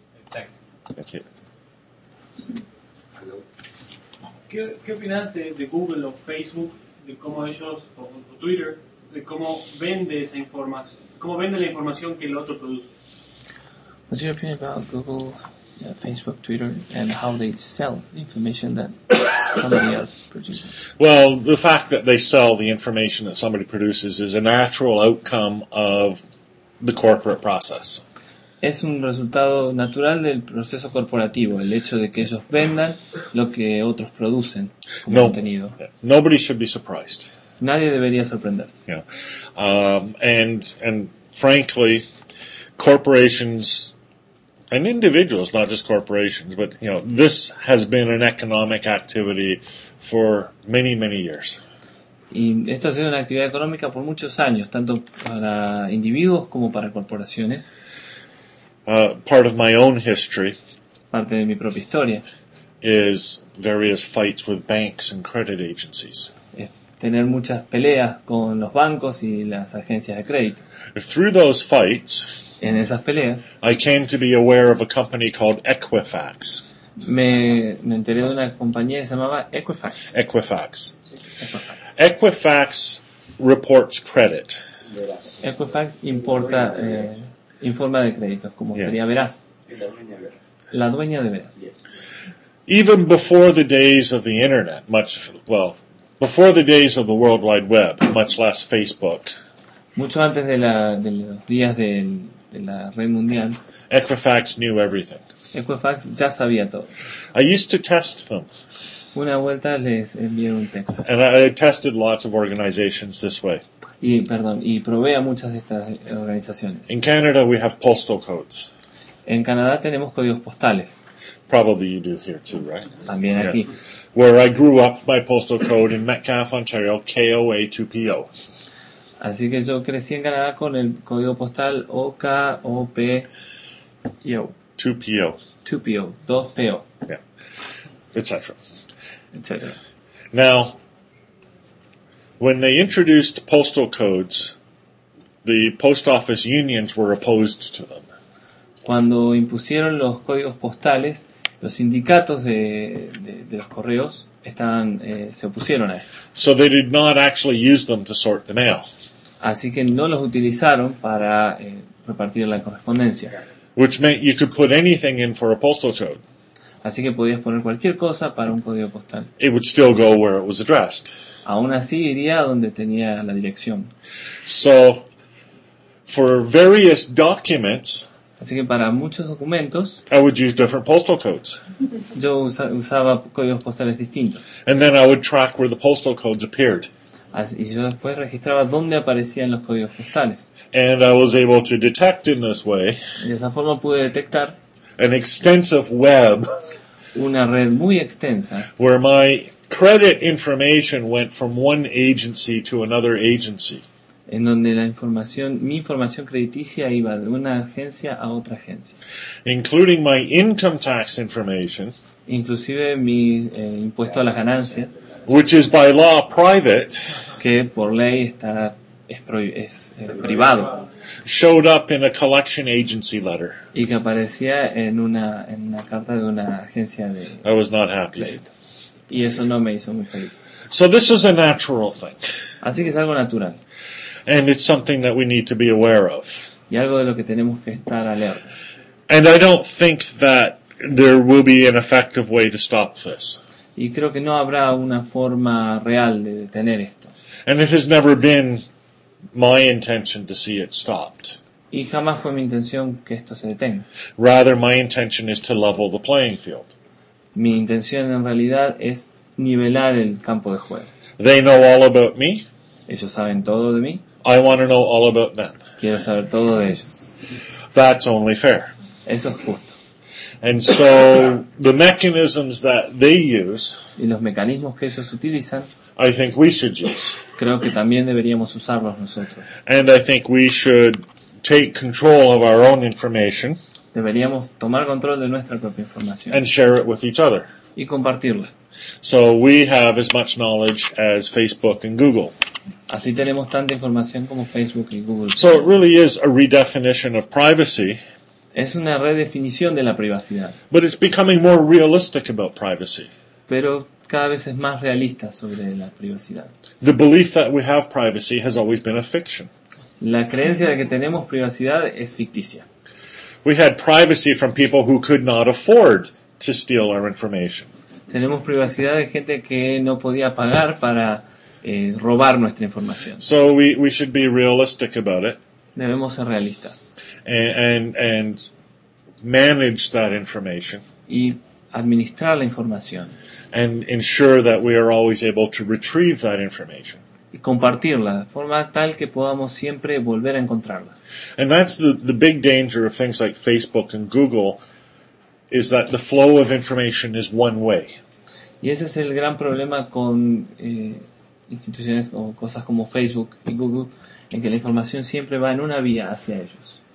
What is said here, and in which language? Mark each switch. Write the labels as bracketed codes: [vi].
[en] Thank you. [es] ¿Qué opinas de Google o Facebook, de cómo ellos, o Twitter, de cómo vende esa información, cómo vende la información que el otro produce? [en] What's your opinion about Google, Facebook, Twitter, and how they sell information that somebody else produces? Well, the fact that they sell the information that somebody produces is a natural outcome of the corporate process. [es] Es un resultado natural del proceso corporativo, el hecho de que ellos vendan lo que otros producen como contenido. [en] Nobody should be surprised. [es] Nadie debería sorprenderse. [en] Yeah. And frankly, corporations and individuals, not just corporations, but this has been an economic activity for many, many years. [es] Y esto ha sido una actividad económica por muchos años, tanto para individuos como para corporaciones. [en] Part of my own history, [es] parte de mi propia historia, [en] is various fights with banks and credit agencies. [es] Es tener muchas peleas con los bancos y las agencias de crédito. [en] Through those fights, [es] en esas peleas, [en] I came to be aware of a company called Equifax. [es] Me enteré de una compañía que se llamaba Equifax. [en] Equifax. [es] Equifax [en] reports credit. [es] Equifax importa. Informa de créditos, como sería Veraz. La dueña de Veraz. La dueña de Veraz. [en] Even before the days of the internet, before the days of the World Wide Web, much less Facebook. [es] Mucho antes de los días de la red mundial. [en] Equifax knew everything. [es] Equifax ya sabía todo. [en] I used to test them. [es] Una vuelta les envié un texto. [en] And I tested lots of organizations this way. [es] Y probé a muchas de estas organizaciones. [en] In Canada we have postal codes. [es] En Canadá tenemos códigos postales. [en] Probably you do here too, right? [es] También aquí. Yeah. [en] Where I grew up, my postal code in Metcalfe, Ontario, KOA2PO. [es] Así que yo crecí en Canadá con el código postal OKOPO. [en] 2PO. [es] 2PO, 2PO. [en] Yeah. Etc. [es] Etc. [en] Now, when they introduced postal codes, the post office unions were opposed to them. [es] Cuando impusieron los códigos postales, los sindicatos de los correos estaban se opusieron a eso. [en] So they did not actually use them to sort the mail. [es] Así que no los utilizaron para repartir la correspondencia. [en] Which meant you could put anything in for a postal code. [es] Así que podías poner cualquier cosa para un código postal. [en] It would still go where it was addressed. [es] Aún así iría donde tenía la dirección. [en] So, for various documents, [es] así que para muchos documentos, [en] I would use different postal codes. [es] Yo usaba códigos postales distintos. [en] And then I would track where the postal codes appeared. [es] Y yo después registraba dónde aparecían los códigos postales. [en] And I was able to detect in this way. [es] Y de esa forma pude detectar [en] an extensive web, [es] una red muy extensa, [en] where my credit information went from one agency to another agency. [es] En donde la información, mi información crediticia iba de una agencia a otra agencia. [en] Including my income tax information, [es] inclusive mi impuesto a las ganancias, [en] which is by law private, [es] que por ley está privado, [en] showed up in a collection agency letter. [es] Y que aparecía en una carta de una agencia de. [en] I was not happy. [es] Y eso no me hizo muy feliz. [en] So this is a natural thing. [es] Así que es algo natural. [en] And it's something that we need to be aware of. [es] Y algo de lo que tenemos que estar alertas. [en] And I don't think that there will be an effective way to stop this. [es] Y creo que no habrá una forma real de detener esto. [en] And it has never been my intention to see it stopped. [es] Y jamás fue mi intención que esto se detenga. [en] Rather, my intention is to level the playing field. [es] Mi intención en realidad es nivelar el campo de juego. [en] They know all about me. [es] Ellos saben todo de mí. [en] I want to know all about them. [es] Quiero saber todo de ellos. [en] That's only fair. [es] Eso es justo. [en] And so the mechanisms that they use, [es] y los mecanismos que ellos utilizan, [en] I think we should use. [es] Creo que también deberíamos usarlos nosotros. [en] And I think we should take control of our own information. [es] Deberíamos tomar control de nuestra propia información. [en] And share it with each other. [es] Y compartirla. [en] So we have as much knowledge as Facebook and Google. [es] Así tenemos tanta información como Facebook y Google. [en] So it really is a redefinition of privacy. [es] Es una redefinición de la privacidad. [en] But it's becoming more realistic about privacy. [es] Pero cada vez es más realista sobre la privacidad. [en] The belief that we have privacy has always been a fiction. [es] La creencia de que tenemos privacidad es ficticia. [en] We had privacy from people who could not afford to steal our information. [es] Tenemos privacidad de gente que no podía pagar para robar nuestra información. [en] So we should be realistic about it. [es] Debemos ser realistas. [en] And manage that information. [es] Y administrar la información. [en] And ensure that we are always able to retrieve that information. [es] Y compartirla de forma tal que podamos siempre volver a encontrarla. [en] And that's the big danger of things like Facebook and Google, is that the flow of information is one way. [es] Y ese es el gran problema con instituciones o cosas como Facebook y Google, en que la información siempre va en una vía hacia ellos.